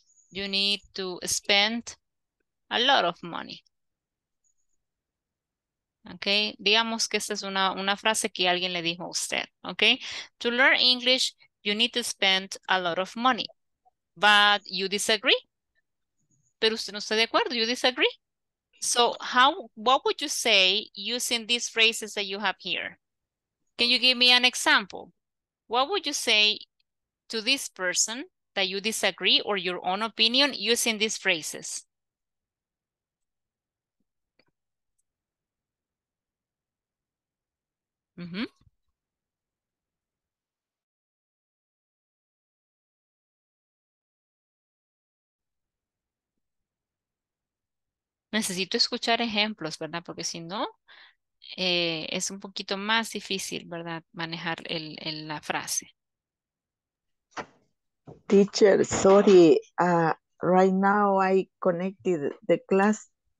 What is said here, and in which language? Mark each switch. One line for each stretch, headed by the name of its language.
English: You need to spend a lot of money.
Spanish: Okay, digamos que esta es una frase que alguien le dijo a usted.
English: Okay, to learn English, you need to spend a lot of money. But you disagree.
Spanish: Pero usted no está de acuerdo,
English: you disagree. So how, what would you say using these phrases that you have here? Can you give me an example? What would you say to this person that you disagree or your own opinion using these phrases? Mm-hmm.
Spanish: Necesito escuchar ejemplos, ¿verdad? Porque si no, es un poquito más difícil, ¿verdad? Manejar la frase.
English: Teacher, sorry, right now I connected the class.